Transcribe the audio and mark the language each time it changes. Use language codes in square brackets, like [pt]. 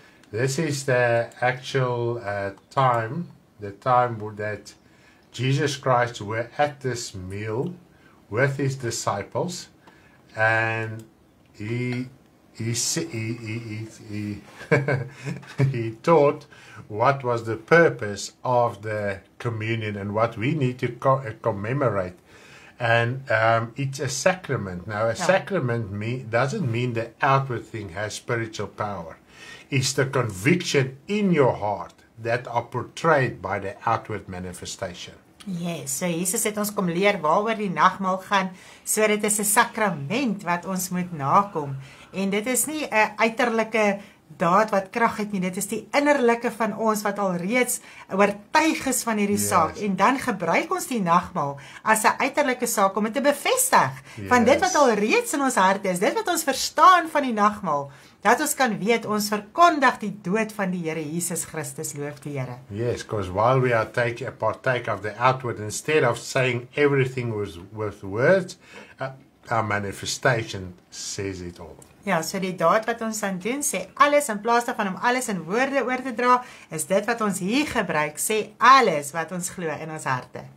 [en] This is the actual time that Jesus Christ were at this meal with his disciples, and he taught what was the purpose of the communion and what we need to commemorate. And it's a sacrament. Now, sacrament doesn't mean the outward thing has spiritual power. It's the conviction in your heart that are portrayed by the outward manifestation. [af] Yes, so Jesus het ons kom leer waaroor die nagmaal gaan, so dit is 'n sakrament wat ons moet nakom. En dit is nie 'n uiterlike daad wat krag het nie, dit is die innerlike van ons wat al reeds oortuig is van hierdie saak, en dan gebruik ons die nagmaal as 'n uiterlike saak om dit te bevestig van dit wat al reeds in ons hart is, dit wat ons verstaan van die nagmaal, dat ons kan weet, ons verkondig die dood van die Here Jesus Christus, loof die Here. [en] Yes, because while we are taking a partake of the outward, instead of saying everything was with words, our manifestation says it all. [af] Ja, so die daad wat ons dan doen, sê alles in plaas daarvan om alles in woorde oor te dra, is dit wat ons hier gebruik, sê alles wat ons glo in ons harte.